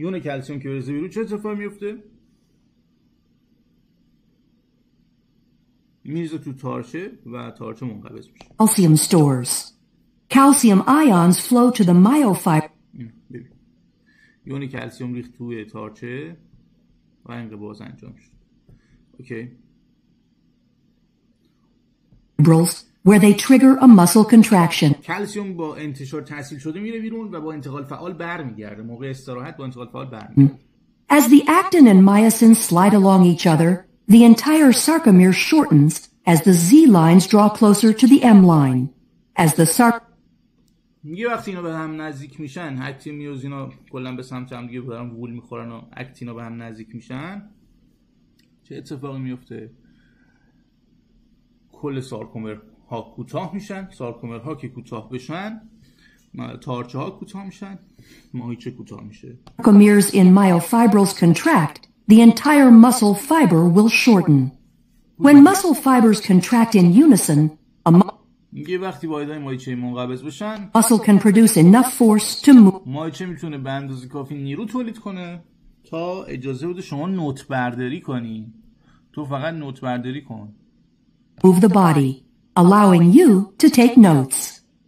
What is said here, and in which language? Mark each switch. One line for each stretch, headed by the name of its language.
Persian: یون کلسیوم که میریزه بیرون چه اتفاقی میفته؟ میریزه تو تارچه و تارچه منقبض میشه.
English: Calcium stores. Calcium ions flow to the myofiber.
Persian: یونی کلسیوم ریخت توی تارچه و انقباض انجام شد.
English: Okay. Where they trigger a muscle contraction.
Persian: کلسیوم با انتشار تحصیل شده میره بیرون و با انتقال فعال برمیگرده. موقع استراحت با انتقال فعال برمیگرده.
English: As the actin and myosin slide along each other, the entire sarcomere shortens as the Z lines draw closer to the M line. As the
Persian: یه وقتی اینا به هم نزدیک میشن، اکتین میوزینا کلا به سمت هم دیگه دارن وول میخورن و اکتینا به هم نزدیک میشن، چه اتفاقی میفته؟ کل سارکومر ها کوتاه میشن، سارکومر ها که کوتاه بشن، تارچه ها کوتاه میشن، ماهیچه کوتاه میشه.
English: Sarcomeres in myofibrils contract, the entire muscle fiber will shorten. When muscle fibers contract in unison,
Persian: یه وقتی واحدهای ماهیچه منقبض بشن،
English: muscle can produce enough force to move.
Persian: ماهیچه میتونه به اندازه کافی نیرو تولید کنه تا اجازه بده شما نوت برداری کنی. تو فقط نوت برداری کن.
English: Move the body, allowing you to take notes.